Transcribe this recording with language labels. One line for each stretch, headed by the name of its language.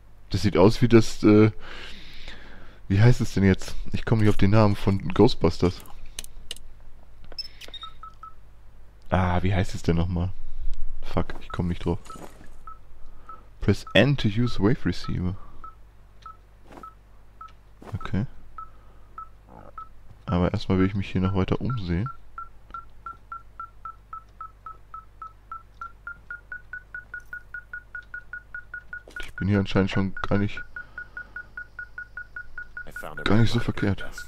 German: Das sieht aus wie das, wie heißt es denn jetzt? Ich komme nicht auf den Namen von Ghostbusters. Ah, wie heißt es denn nochmal? Fuck, ich komme nicht drauf.
English: Press N to use Wave Receiver. Okay.
German: Aber erstmal will ich mich hier noch weiter umsehen. Ich bin hier anscheinend schon gar nicht so verkehrt.